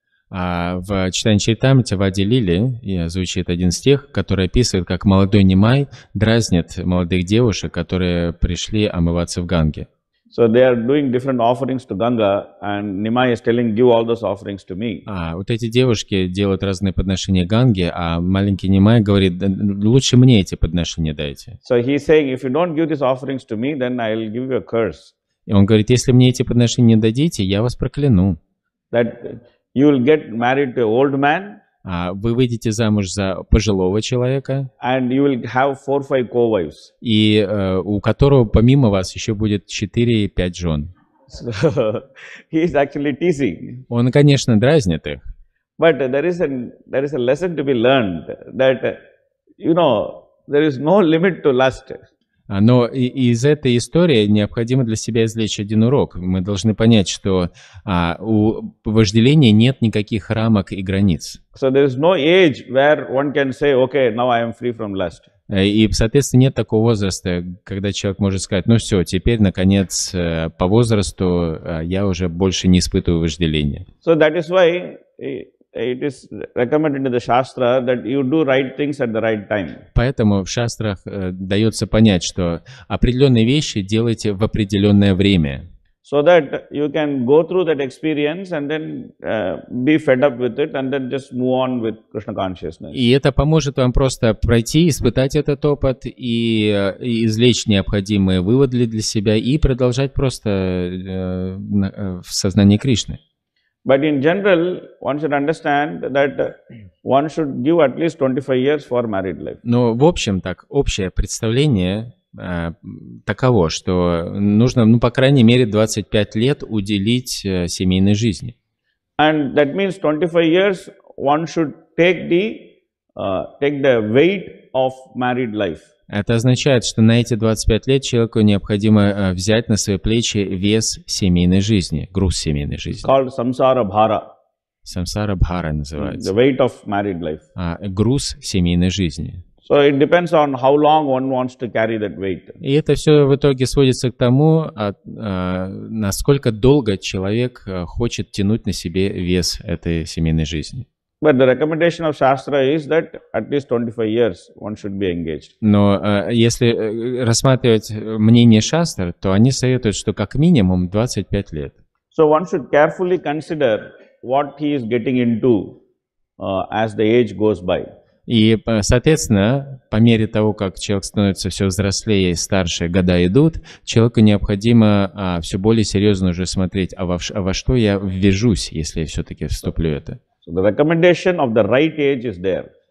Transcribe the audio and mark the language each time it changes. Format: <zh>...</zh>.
<ru>В Чайтанья Чаритамрите, в Ади Лиле, звучит один стих, который описывает, как молодой Нимай дразнит молодых девушек, которые пришли омываться в Ганге.</ru> <en>So they are doing different offerings to Ganga, and Nimai is telling, give all those offerings to me.</en> <ru>Вот эти девушки делают разные подношения Ганге, а маленький Нимай говорит, лучше мне эти подношения дайте.</ru> <en>So he is saying, if you don't give these offerings to me, then I will give you a curse.</en> <ru>И он говорит, если мне эти подношения не дадите, я вас прокляну.</ru> <en>That you will get married to an old man.</en> <ru>Вы выйдете замуж за пожилого человека.</ru> <en>And you will have 4-5 co-wives.</en> <ru>И у которого помимо вас еще будет 4-5 жен.</ru> <en>So, he is actually teasing.</en> <ru>Он, конечно, дразнит их.</ru> <en>But there is a lesson to be learned that, you know, there is no limit to lust.</en> <ru>Но из этой истории необходимо для себя извлечь один урок. Мы должны понять, что у вожделения нет никаких рамок и границ.</ru> <en>So there is no age where one can say, okay, now I am free from lust.</en> <ru>И, соответственно, нет такого возраста, когда человек может сказать, ну все, теперь, наконец, по возрасту я уже больше не испытываю вожделения.</ru> <en>So that is why it is recommended in the Shastra that you do right things at the right time.</en> <ru>Поэтому в шастрах дается понять, что определенные вещи делайте в определенное время.</ru> <en>So that you can go through that experience and then be fed up with it and then just move on with Krishna consciousness.</en> <ru>И это поможет вам просто пройти, испытать этот опыт и извлечь необходимые выводы для себя и продолжать просто в сознании Кришны.</ru> <en>But in general, one should understand that one should give at least 25 years for married life.</en> <ru>Но в общем так, общее представление таково, что нужно, ну, по крайней мере, 25 лет уделить семейной жизни.</ru> <en>And that means 25 years one should take the weight of married life.</en> <ru>Это означает, что на эти 25 лет человеку необходимо взять на свои плечи вес семейной жизни, груз семейной жизни.</ru> <en>It's called samsara bhara.</en> <ru>Samsara bhara называется.</ru> <en>The weight of married life.</en> <ru>Груз семейной жизни.</ru> <en>So it depends on how long one wants to carry that weight.</en> <ru>И это все в итоге сводится к тому, насколько долго человек хочет тянуть на себе вес этой семейной жизни.</ru> <en>But the recommendation of Shastra is that at least 25 years one should be engaged.</en> <ru>Но если рассматривать мнение Шастр, то они советуют, что как минимум 25 лет.</ru> <en>So one should carefully consider what he is getting into as the age goes by.</en> <ru>И, соответственно, по мере того, как человек становится все взрослее и старше, года идут, человеку необходимо все более серьезно уже смотреть, во что я ввяжусь, если я все-таки вступлю в это.</ru> <en>So the recommendation of the right age is there.</en>